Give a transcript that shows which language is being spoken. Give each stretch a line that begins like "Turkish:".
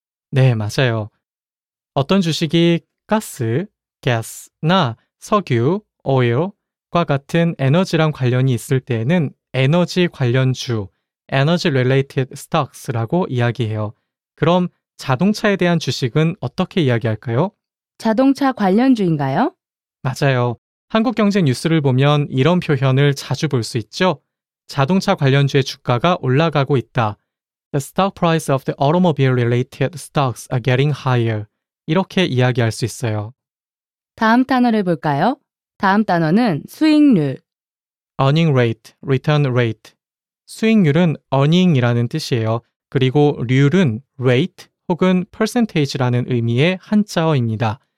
Korean: 네, 맞아요. 어떤 주식이 가스, gas나 석유, oil과 같은 에너지랑 관련이 있을 때에는 에너지 관련주,
English: energy related stocks
Korean: 라고 이야기해요. 그럼 자동차에 대한 주식은 어떻게 이야기할까요? 자동차 관련주인가요? 맞아요. 한국 경제 뉴스를 보면 이런 표현을 자주 볼 수 있죠. 자동차 관련주의 주가가 올라가고 있다.
English: The stock price of the automobile related stocks are getting higher.
Korean: 이렇게 이야기할 수 있어요. 다음 단어를 볼까요? 다음 단어는 수익률.
English: Earning rate, return rate.
Korean: 수익률은 earning이라는 뜻이에요. 그리고 률은 rate 혹은 percentage라는 의미의 한자어입니다.